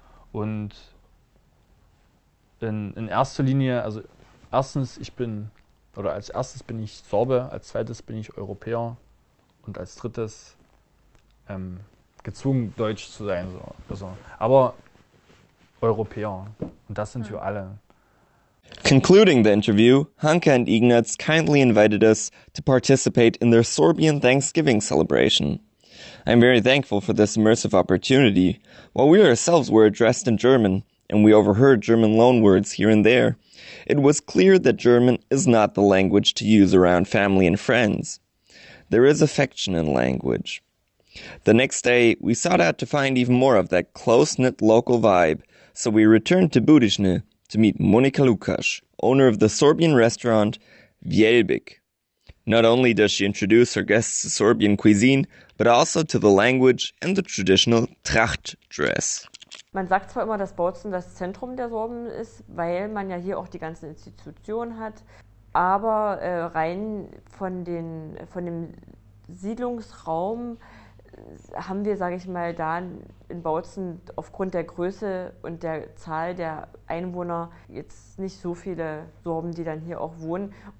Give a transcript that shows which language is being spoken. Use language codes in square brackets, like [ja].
[de] Und in erster Linie, also erstens, ich bin, oder als erstes bin ich Sorbe, als zweites bin ich Europäer. und als drittes gezwungen, Deutsch zu sein. So. Also, aber Europäer, und das sind wir alle. [en] Concluding the interview, Hanke and Ignaz kindly invited us to participate in their Sorbian Thanksgiving celebration. I'm very thankful for this immersive opportunity. While we ourselves were addressed in German, and we overheard German loanwords here and there, it was clear that German is not the language to use around family and friends. There is affection in language. The next day, we sought out to find even more of that close-knit local vibe, so we returned to Budyshne to meet Monika Lukas, owner of the Sorbian restaurant Vjelbik. Not only does she introduce her guests to Sorbian cuisine, but also to the language and the traditional Tracht dress. [de] Man sagt zwar immer, dass Bautzen das Zentrum der Sorben ist, weil man ja hier auch die ganzen Institutionen hat, aber rein von dem Siedlungsraum haben wir, sage ich mal, da in Bautzen aufgrund der Größe und der Zahl der Einwohner jetzt nicht so viele Sorben, die dann hier auch wohnen.